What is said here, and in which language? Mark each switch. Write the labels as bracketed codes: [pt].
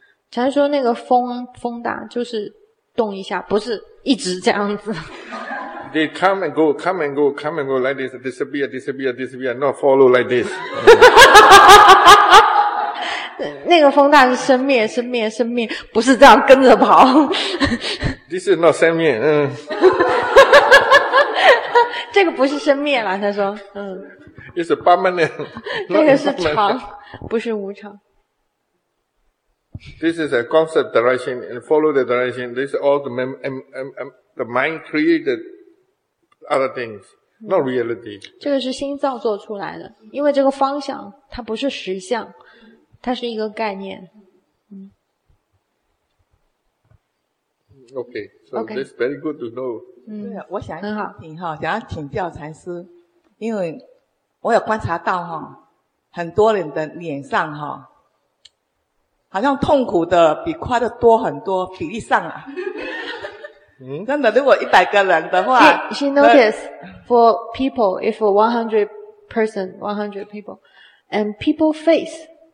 [zh] 禅说那个风大就是动一下，不是一直这样子。 [en] They come and go, come and go, come and go like this. Disappear, disappear, disappear. Not follow like this. [zh] 那个风大是生灭，生灭，生灭，不是这样跟着跑。 [en] This is not 生灭， [zh] 这个不是生灭啦，他说， [en] It's a permanent. [zh] 这个是常，不是无常。 [en] This is a concept direction and follow the direction. This is all the mind created other things, not reality. [zh] 这个是心造作出来的，因为这个方向它不是实相。它是一个概念。 [en] Okay, so that's very good to know. [zh] 对，我想请哈，想要请教禅师，因为我有观察到哈，很多人的脸上哈，好像痛苦的比快乐多很多，比例上啊。真的，如果100个人的话 [en] she noticed for people, if 100 people, and people face.